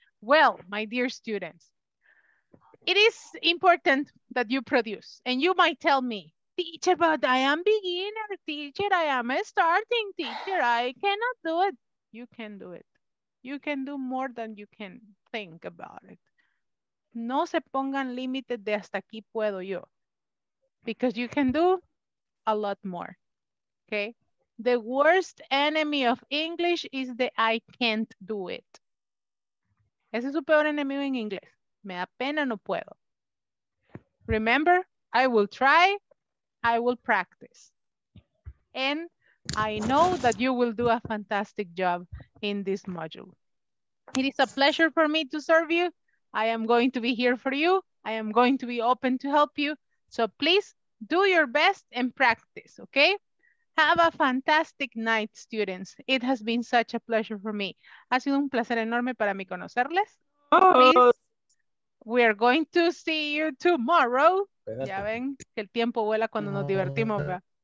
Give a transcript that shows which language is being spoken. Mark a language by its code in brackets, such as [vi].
[en] Well, my dear students, it is important that you produce. And you might tell me, teacher, but I am beginner. Teacher, I am a starting teacher. I cannot do it. You can do it. You can do more than you can think about it. [es] No se pongan límites de hasta aquí puedo yo. [en] Because you can do a lot more. Okay? The worst enemy of English is the I can't do it. [es] Ese es su peor enemigo en inglés. Me da pena, no puedo. [en] Remember, I will try, I will practice. And I know that you will do a fantastic job in this module. It is a pleasure for me to serve you. I am going to be here for you. I am going to be open to help you. So please do your best and practice, okay? Have a fantastic night, students. It has been such a pleasure for me. [es] Ha sido un placer enorme para mí conocerles. [en] Please, we are going to see you tomorrow. [es] Espérate. Ya ven que el tiempo vuela cuando nos divertimos.